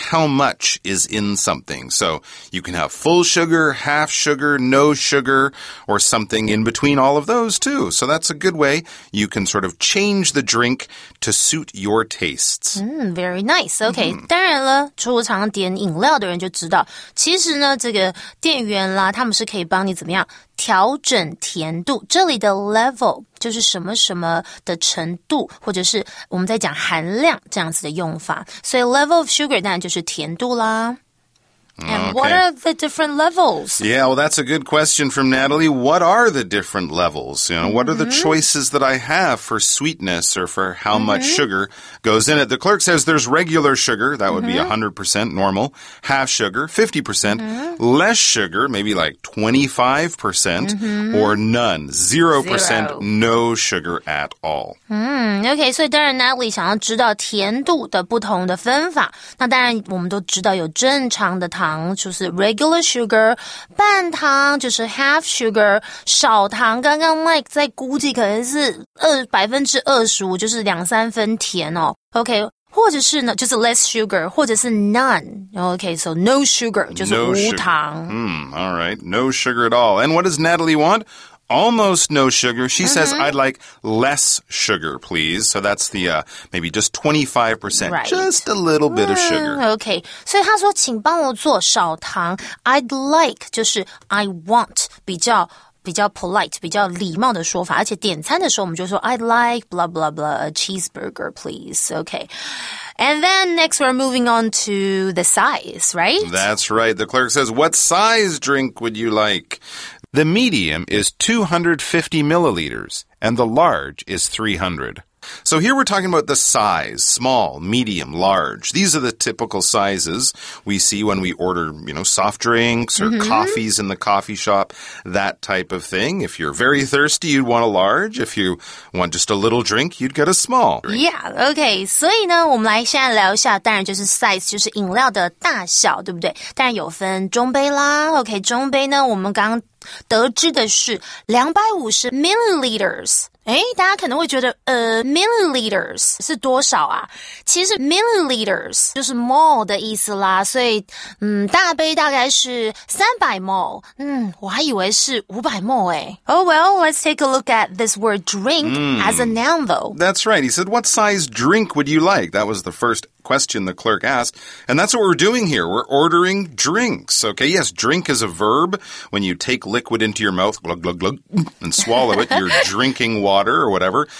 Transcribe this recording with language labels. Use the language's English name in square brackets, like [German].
[English] How much is in something? So you can have full sugar, half sugar, no sugar, or something in between all of those too. So that's a good way. You can sort of change the drink to suit your tastes. Very nice. Okay,、mm-hmm. [Chinese] 当然了，除了常点饮料的人就知道，其实呢，这个店员啦，他们是可以帮你怎么样调整甜度，这里的 level 就是什么什么的程度，或者是我们在讲含量这样子的用法。所以 [English] level of sugar [Chinese] 当然就是甜度啦。 [English] And、 okay. what are the different levels? Yeah, well, that's a good question from Natalie. What are the different levels? You know, what、mm-hmm. are the choices that I have for sweetness or for how、mm-hmm. much sugar goes in it? The clerk says there's regular sugar. That would、mm-hmm. be 100% normal. Half sugar, 50%.、Mm-hmm. Less sugar, maybe like 25%、mm-hmm. or none. 0%, no sugar at all.、 Mm-hmm. [Chinese] Okay, 所以当然 Natalie 想要知道甜度的不同的分法。那当然我们都知道有正常的糖就是 [English] regular sugar [Chinese] 半糖就是 [English] half sugar [Chinese] 少糖刚刚 Mike 在估计可能是25%就是两三分甜哦 OK 或者是呢就是 [English] less sugar [Chinese] 或者是 none [English] OK so no sugar [Chinese] 就是无糖、 [English] no alright no sugar at all and what does Natalie want? Almost no sugar. She、mm-hmm. says, I'd like less sugar, please. So that's the, maybe just 25%.、 Right. Just a little bit of sugar. [Chinese] Okay. 所以他说请帮我做少糖。 [English] I'd like, [Chinese] 就是 [English] I want, [Chinese] 比较 [English] polite, [Chinese] 比较礼貌的说法。而且点餐的时候我们就说 [English] I'd like blah blah blah, a cheeseburger, please. Okay. And then next we're moving on to the size, right? That's right. The clerk says, what size drink would you like? The medium is 250 milliliters and the large is 300. So here we're talking about the size, small, medium, large. These are the typical sizes we see when we order, you know, soft drinks or、mm-hmm. coffees in the coffee shop, that type of thing. If you're very thirsty, you'd want a large. If you want just a little drink, you'd get a small drink. Yeah, okay. [Chinese] 所以呢我们来现在聊一下当然就是 size, 就是饮料的大小对不对当然有分中杯啦 OK, 中杯呢我们刚刚得知的是 [English] 250 milliliters。 [Chinese] 诶大家可能会觉得milliliters 是多少啊其实 milliliters 就是 mol 的意思啦所以大杯大概是300 mol, 我还以为是500 mol 诶。 [English] Oh well, let's take a look at this word drink as a noun though. That's right, he said, what size drink would you like? That was the first question the clerk asked. And that's what we're doing here. We're ordering drinks. Okay, yes, drink is a verb. When you take liquid into your mouth, glug, glug, glug, and swallow it, you're drinking water or whatever.